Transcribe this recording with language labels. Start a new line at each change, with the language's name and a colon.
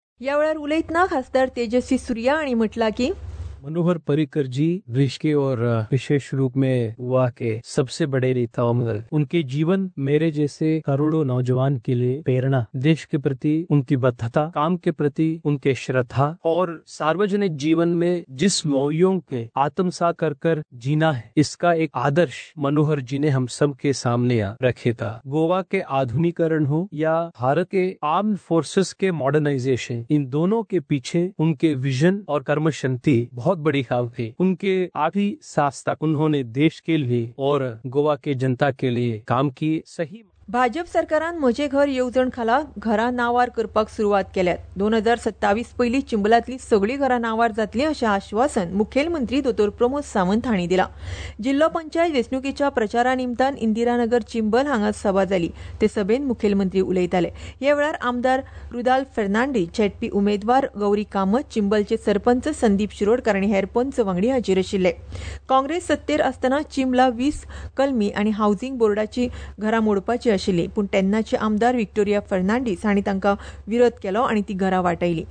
Goan Konkani: या वेळार उलयतना खासदार तेजस्वी सूर्या आणि म्हटला की
Hindi: मनोहर परिकर जी विशेष और विशेष रूप में गोवा के सबसे बड़े नेताओं में. उनके जीवन मेरे जैसे करोड़ों नौजवान के लिए प्रेरणा, देश के प्रति उनकी बद्धता, काम के प्रति उनके श्रद्धा और सार्वजनिक जीवन में जिस मौल्यों के आत्मसात कर जीना है, इसका एक आदर्श मनोहर जी ने हम सब के सामने रखे था. गोवा के आधुनिकरण हो या भारत के आर्म्ड फोर्सेस के मॉडर्नाइजेशन, इन दोनों के पीछे उनके विजन और कर्म शक्ति बहुत बड़ी खाब थी. उनके आखिरी सांस तक उन्होंने देश के लिए और गोवा के जनता के लिए काम की. सही
Goan Konkani: भाजप सरकारान म्हजे घर येवजण खाला घरां नावार करपाक सुरवात केल्यात. 2027 पयली चिंबलातली सगळीं घरां नावार जातली अशें आश्वासन मुखेलमंत्री दोतोर प्रमोद सावंत हांणी दिलां. जिल्हो पंचायत वेंचणुकेच्या प्रचारा निमतान इंदिरानगर चिंबल हांगा सभा जाली. ते सभेंत मुखेलमंत्री उलयताले. ह्या वेळार आमदार रुदाल फेर्नांडीस, झेडपी उमेदवार गौरी कामत, चिंबलचे सरपंच संदीप शिरोडकर आनी हेर पंच वांगडी हाजीर आशिल्ले. काँग्रेस सत्तेर आसतना चिंबला 20 कलमी आनी हाऊसिंग बोर्डाची घरां मोडपाची आशिल्ली, पूण तेन्नाचे आमदार विक्टोरिया फेर्नांडीस हांणी तांकां विरोध केलो आनी ती घरां वाटयली.